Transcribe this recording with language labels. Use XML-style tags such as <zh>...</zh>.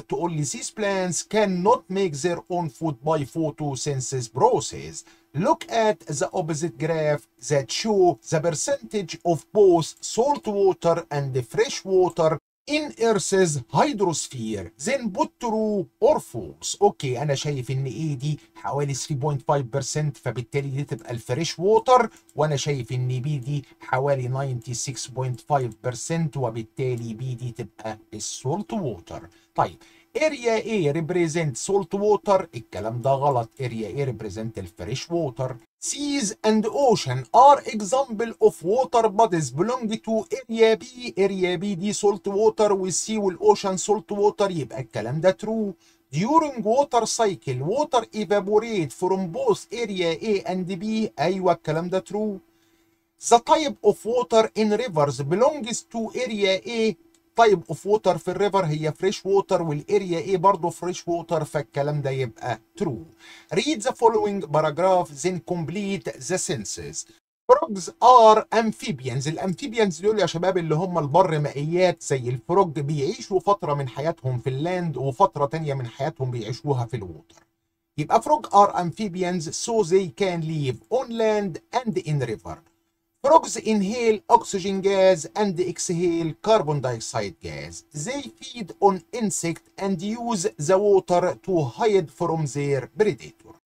<en>To only these plants cannot make their own food by photosynthesis process. Look at the opposite graph that show the percentage of both salt water and the fresh water in Earth's hydrosphere. Then put true or false.</en> <ar>Okay, أنا شايف إن إيه دي حوالي 3.5%, فبالتالي دي تبقى الفريش ووتر, وأنا شايف إن بي دي حوالي 96.5%, وبالتالي بي دي تبقى السولت ووتر.</ar> <en>طيب Area A represents salt water.</en> <ar>الكلام ده غلط.</ar> <en>Area A represents the fresh water. Seas and ocean are example of water bodies belong to Area B. Area B دي salt water, with sea والocean salt water.</en> <ar>يبقى الكلام ده</ar> <en>true. During water cycle, water evaporate from both Area A and B.</en> <ar>أيوة الكلام ده true.</ar> <en>The type of water in rivers belongs to Area A.</en> <ar>طيب of water في الريفر هي fresh water, والarea A برضو fresh water, فالكلام ده يبقى true.</ar> <en>Read the following paragraph then complete the sentences. Frogs are amphibians.</en> <ar>الامفيبيانز دول يا شباب اللي هم البرمائيات زي الفروج, بيعيشوا فترة من حياتهم في اللاند وفترة تانية من حياتهم بيعيشوها في الووتر.</ar> <en>يبقى frogs are amphibians so they can live on land and in river. Frogs inhale oxygen gas and exhale carbon dioxide gas. They feed on insects and use the water to hide from their predator.</en>